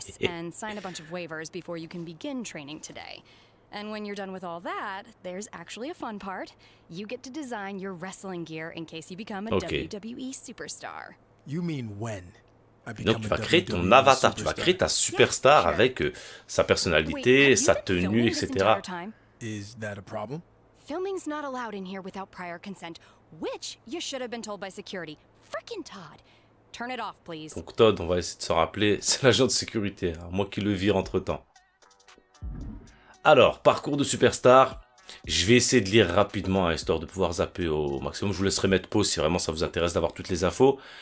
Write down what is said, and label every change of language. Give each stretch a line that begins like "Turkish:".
English: And sign a bunch of waivers before you can begin training today. And when you're done with all that, there's actually a fun part. You get to design your wrestling gear in case you become a WWE superstar. You mean when?
French: Donc tu vas créer ton avatar, tu vas créer ta superstar avec sa personnalité, sa tenue, etc.
English: Is that a problem? Filming's not allowed in here without prior consent, which you should have been told by security. Frickin' Todd. Turn it off, please.
French: Donc Todd, on va essayer de se rappeler, c'est l'agent de sécurité, hein, moi qui le vire entre-temps. Alors, parcours de superstar, je vais essayer de lire rapidement, hein, histoire de pouvoir zapper au maximum. Je vous laisserai mettre pause si vraiment ça vous intéresse d'avoir toutes les infos.